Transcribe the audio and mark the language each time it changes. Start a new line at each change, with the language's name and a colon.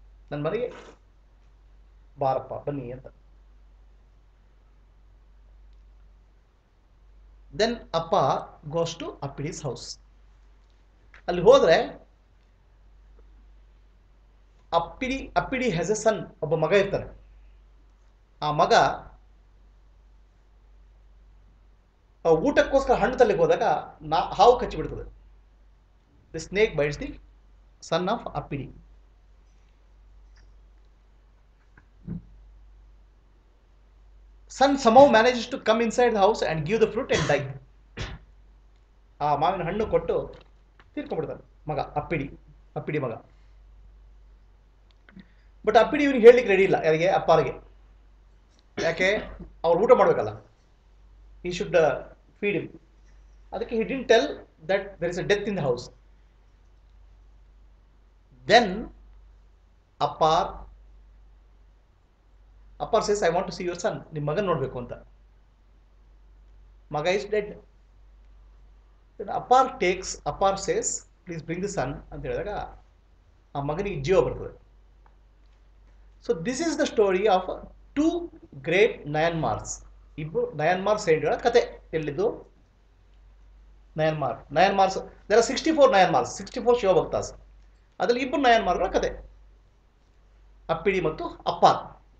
Kannada: Nan marige barappa banni anta.
English: Then Appar goes to Appidi's house.
Kannada: Alli hodre
English: Appidi has a son,
Kannada: ಒಬ್ಬ ಮಗ ಇರ್ತಾನೆ. ಆ ಮಗ ಊಟಕ್ಕೋಸ್ಕರ ಹಣ್ಣು ತಲೆಗೆ ಹೋದಾಗ ಹಾವು ಕಚ್ಚಿಬಿಡ್ತದೆ.
English: The snake bites the son of Appidi. Son somehow manages to come inside the house and give the fruit and die.
Kannada: ಆ ಮಾವಿನ ಹಣ್ಣು ಕೊಟ್ಟು ತೀರ್ಕೊಂಡ್ಬಿಡ್ತಾನೆ ಮಗ ಅಪ್ಪಿಡಿ, ಅಪ್ಪಿಡಿ ಮಗ.
English: but
Kannada: ಅಪ್ಪಿಡಿ ಇವ್ರಿಗೆ ಹೇಳಲಿಕ್ಕೆ ರೆಡಿ ಇಲ್ಲ ಯಾರಿಗೆ, ಅಪ್ಪಾರಿಗೆ. ಯಾಕೆ, ಅವ್ರು ಊಟ ಮಾಡಬೇಕಲ್ಲ,
English: He should feed him.
Kannada: ಅದಕ್ಕೆ
English: He didn't tell that there is a death in the house. Then Appar says, I want to see your son,
Kannada: ನಿಮ್ಮ ಮಗನ ನೋಡಬೇಕು ಅಂತ.
English: ಮಗ is dead. Then Appar takes, Appar says, please bring the son
Kannada: ಅಂತ ಹೇಳಿದಾಗ ಆ ಮಗನಿಗೆ ಜೀವ ಬರ್ತದೆ.
English: So this is the story of two great Nayanmars.
Kannada: Ibbu Nayanmar saintgala kathe ellidu.
English: Nayanmars there are 64 Nayanmars, 64 Shiva bhaktas.
Kannada: Adalli ibbu Nayanmar gala kathe, Appidi mattu Appar.